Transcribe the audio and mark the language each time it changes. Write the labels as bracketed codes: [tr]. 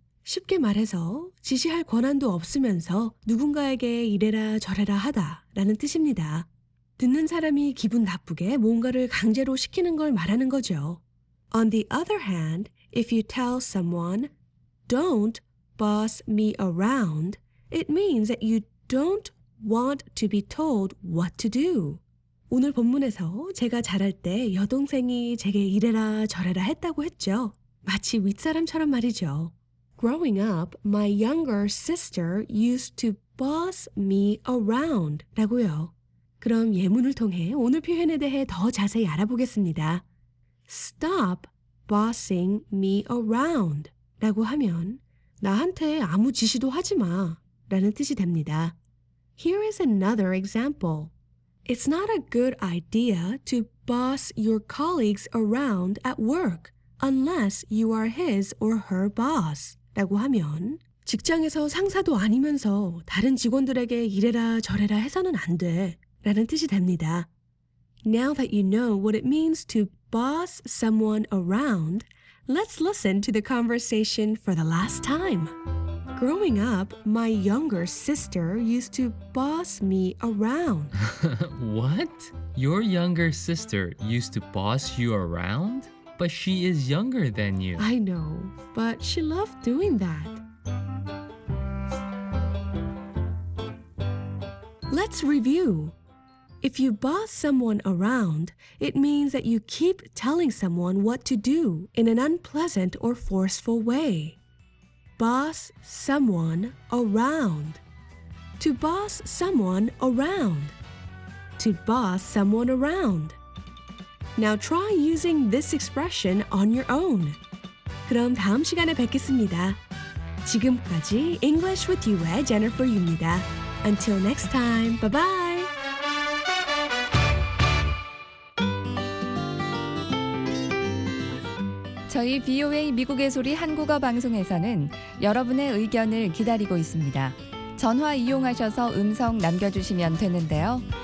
[ko] 쉽게 말해서 지시할 권한도 없으면서 누군가에게 이래라 저래라 하다 라는 뜻입니다. 듣는 사람이 기분 나쁘게 뭔가를 강제로 시키는 걸 말하는 거죠. [en] On the other hand, if you tell someone, don't boss me around, it means that you don't want to be told what to do. [ko] 오늘 본문에서 제가 자랄 때 여동생이 제게 이래라 저래라 했다고 했죠. 마치 윗사람처럼 말이죠. [en] Growing up, my younger sister used to boss me around [ko] 라고요. 그럼 예문을 통해 오늘 표현에 대해 더 자세히 알아보겠습니다. [en] Stop bossing me around [ko] 라고 하면 나한테 아무 지시도 하지 마 라는 뜻이 됩니다. [en] Here is another example. It's not a good idea to boss your colleagues around at work unless you are his or her boss. [ko] 라고 하면 직장에서 상사도 아니면서 다른 직원들에게 이래라 저래라 해서는 안 돼 라는 뜻이 됩니다. [en] Now that you know what it means to boss someone around, let's listen to the conversation for the last time. Growing up, my younger sister used to boss me around. What? Your younger sister used to boss you around? But she is younger than you. I know, but she loved doing that. Let's review. If you boss someone around, it means that you keep telling someone what to do in an unpleasant or forceful way. Boss someone around. To boss someone around. To boss someone around. Now try using this expression on your own. [ko] 그럼 다음 시간에 뵙겠습니다. 지금까지 [en] English with You의 Jennifer Yu입니다. Until next time, bye-bye! [ko] VOA 미국의 소리 한국어 방송에서는 여러분의 의견을 기다리고 있습니다. 전화 이용하셔서 음성 남겨주시면 되는데요.